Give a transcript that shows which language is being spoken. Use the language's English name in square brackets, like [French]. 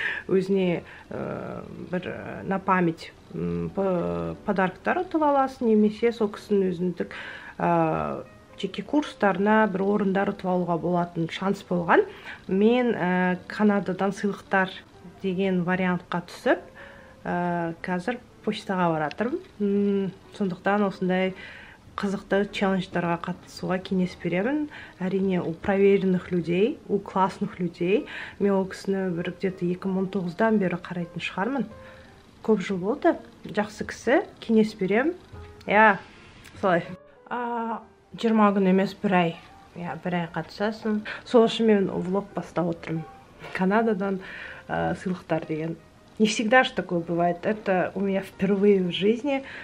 [Kazakh] Өзіне бір на память подарктар ұтып аласың, немесе сол кісінің өзіндік жеке курстарына бір орындар ұтып алуға болатын шанс болған. Мен Канададан сыйлықтар деген вариантқа түсіп, қазір почтаға баратырмын. Сондықтан осындай қызықты челленджтарға қатысуға кеңес беремін. [Russian] Әрине, у проверенных людей, у классных людей. [Kazakh] Мен ол кісіні бір где-то 2019-дан бері қарайтын шығармын. Көп жыл болды. Жақсы кісі, кеңес беремін. Солай. 20 күн емес, бір ай. Бір ай қатысасың. Сол үшін мен влог бастап отырмын. Канададан сыйлықтар деген. [Russian] Не всегда ж такое бывает. Это у меня впервые в жизни.